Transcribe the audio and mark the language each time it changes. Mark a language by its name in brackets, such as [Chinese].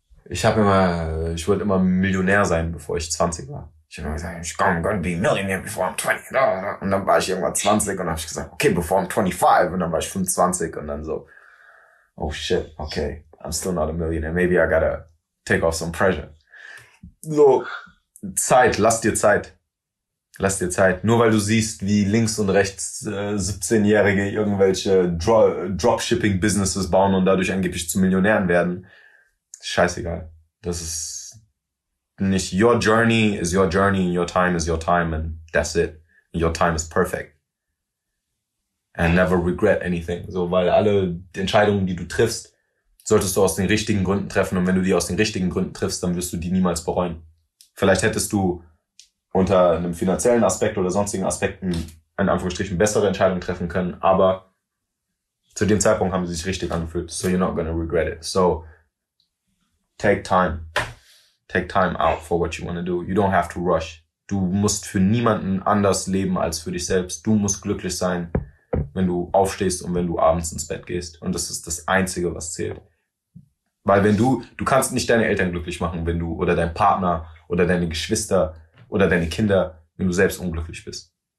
[German] Ich wollte immer Millionär sein, bevor ich 20 war. Ich habe immer gesagt, [English] I'm gonna be a millionaire before I'm 20. [German] Und dann war ich irgendwann 20 und habe ich gesagt, okay, [English] before I'm 25. [German] Und dann war ich 25 und dann so, [English] oh shit, [German] okay. [English] I'm still not a millionaire. Maybe I gotta take off some pressure. [German] So, Zeit, lass dir Zeit. Lass dir Zeit. Nur weil du siehst, wie links und rechts 17-Jährige irgendwelche Dropshipping-Businesses bauen und dadurch angeblich zu Millionären werden. Scheißegal. Das ist nicht [English] your journey is your journey, your time is your time and that's it. Your time is perfect. And never regret anything. [German] So, weil alle Entscheidungen, die du triffst, solltest du aus den richtigen Gründen treffen. Und wenn du die aus den richtigen Gründen triffst, dann wirst du die niemals bereuen. Vielleicht hättest du unter einem finanziellen Aspekt oder sonstigen Aspekten in Anführungsstrichen bessere Entscheidungen treffen können, aber zu dem Zeitpunkt haben sie sich richtig angefühlt. [English] So you're not gonna regret it. So take time. Take time out for what you wanna do. You don't have to rush. [German] Du musst für niemanden anders leben als für dich selbst. Du musst glücklich sein, wenn du aufstehst und wenn du abends ins Bett gehst. Und das ist das Einzige, was zählt. Weil wenn du kannst nicht deine Eltern glücklich machen, wenn du oder dein Partner oder deine Geschwister oder deine Kinder, wenn du selbst unglücklich bist.